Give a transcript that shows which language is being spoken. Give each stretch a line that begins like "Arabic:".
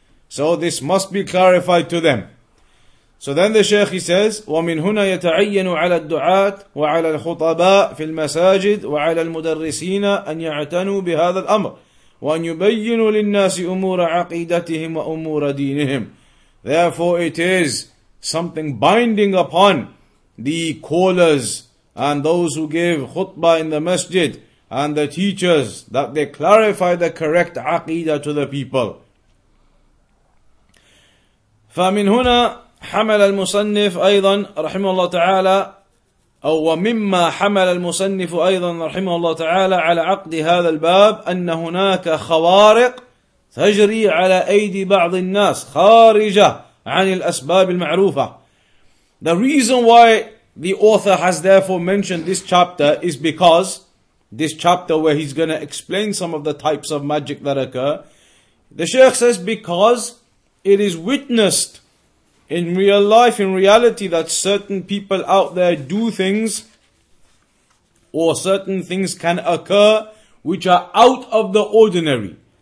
English: So this must be clarified to them. So then the Shaykh, he says,
Arabic: وَمِنْ هُنَا يَتَعَيَّنُ عَلَى الدُّعَاةِ وَعَلَى الْخُطَبَاءِ فِي الْمَسَاجِدِ وَعَلَى الْمُدَرِّسِينَ أَنْ يَعْتَنُوا بِهَذَا الْأَمْرِ وَأَنْ يُبَيِّنُوا لِلنَّاسِ أُمُورَ عَقِيدَتِهِمْ وَأُمُورَ دِينِهِمْ.
English: Therefore it is something binding upon the callers and those who give khutbah in the masjid and the teachers that they clarify the correct aqidah to the people.
Arabic: فَمِنْ هُنَا حمل المصنف أيضا رحمه الله تعالى أو مما حمل المصنف أيضا رحمه الله تعالى على عقد هذا الباب أن هناك خوارق تجري على أيدي بعض الناس خارجة عن الأسباب المعروفة.
English: The reason why the author has therefore mentioned this chapter is because this chapter where he's going to explain some of the types of magic that occur, the Shaykh says because it is witnessed in real life, in reality, that certain people out there do things, or certain things can occur, which are out of the ordinary.